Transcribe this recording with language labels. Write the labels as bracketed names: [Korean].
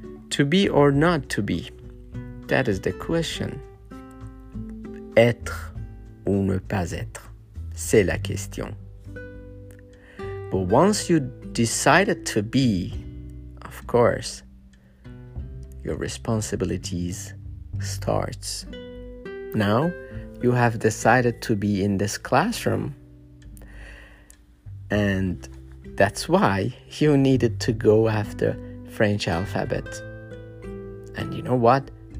[English] To be or not to be, that is the question. [French] Être ou ne pas être, c'est la question. [English] But once you decided to be, of course, your responsibilities starts. Now you have decided to be in this classroom. And that's why you needed to go after French alphabet. And you know what?